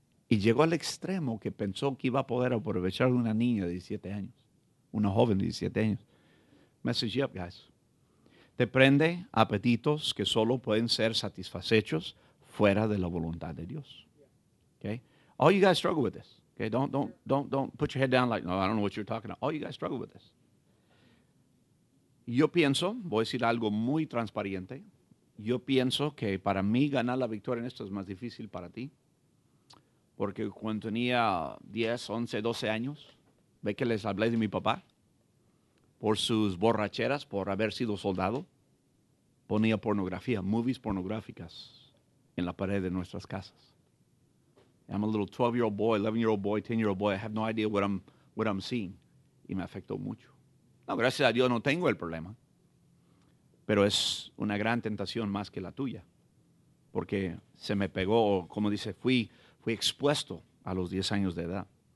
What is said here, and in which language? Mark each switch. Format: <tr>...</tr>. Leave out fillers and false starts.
<es>Y llegó al extremo que pensó que iba a poder aprovechar una niña de 17 años. Una joven de 17 años.</es> <en>Message up, guys.</en> <es>Te prende apetitos que solo pueden ser satisfechos fuera de la voluntad de Dios.</es> <en>Okay? All you guys struggle with this. Okay? Don't put your head down like, no, I don't know what you're talking about. All you guys struggle with this.</en> <es>Yo pienso, voy a decir algo muy transparente, yo pienso que para mí ganar la victoria en esto es más difícil para ti. Porque cuando tenía 10, 11, 12 años, ve que les hablé de mi papá, por sus borracheras, por haber sido soldado, ponía pornografía, movies pornográficas, en la pared de nuestras casas.</es> <en>I'm a little 12-year-old boy, 11-year-old boy, 10-year-old boy, I have no idea what I'm seeing.</en> <es>Y me afectó mucho. No, gracias a Dios no tengo el problema. Pero es una gran tentación más que la tuya. Porque se me pegó, como dice, fui expuesto a los 10 años de edad.</es>